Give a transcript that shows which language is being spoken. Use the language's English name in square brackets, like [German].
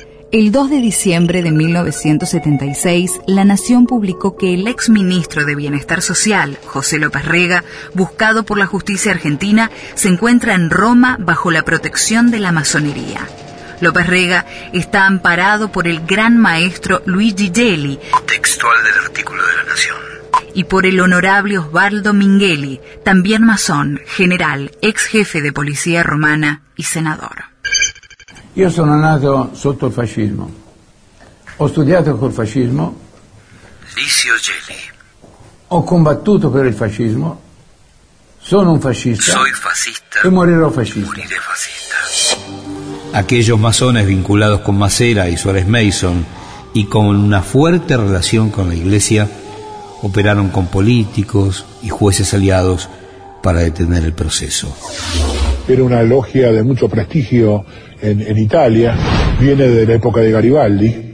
[Spanish] El 2 de diciembre de 1976, La Nación publicó que el ex ministro de Bienestar Social, José López Rega, buscado por la justicia argentina, se encuentra en Roma bajo la protección de la masonería. López Rega está amparado por el gran maestro Luigi Gelli, textual del artículo de La Nación, y por el honorable Osvaldo Mingheli, también masón, general, ex jefe de policía romana y senador. [Italian] Io sono nato sotto il fascismo, ho studiato col fascismo, Licigeri. Ho combattuto per il fascismo, sono un fascista, [Spanish] soy fascista. [Italian] E morirò fascista. [Spanish] Moriré fascista. Aquellos masones vinculados con Massera y Suárez Mason y con una fuerte relación con la Iglesia operaron con políticos y jueces aliados para detener el proceso. Era una logia de mucho prestigio en Italia, viene de la época de Garibaldi.